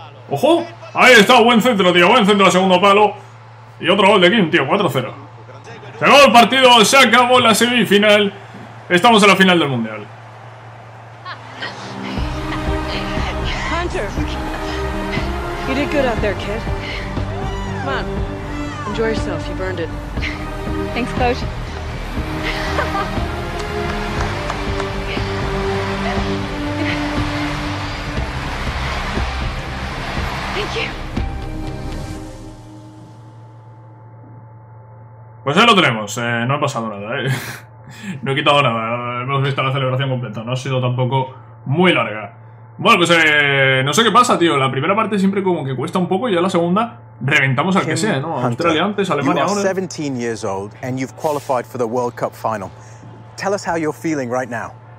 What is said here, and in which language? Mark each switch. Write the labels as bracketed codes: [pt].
[es] ¡Ojo! Ahí está, buen centro, tío. Buen centro al segundo palo. Y otro gol de Kim, tío. 4-0. Se acabó el partido, se acabó la semifinal. Estamos en la final del Mundial. [en] Hunter, you did good out there, kid. Come on, enjoy yourself, you burned it. Thanks, coach. Thank you. [es] Pues ahí lo tenemos, no ha pasado nada, ¿eh? No he quitado nada, hemos visto la celebración completa, no ha sido tampoco muy larga. Bueno, pues no sé qué pasa, tío, la primera parte siempre como que cuesta un poco y ya la segunda reventamos al que sea, ¿no? Australia antes, Alemania ahora. [en] 17 years old and you've qualified for the World Cup final. Tell us how you're feeling right now.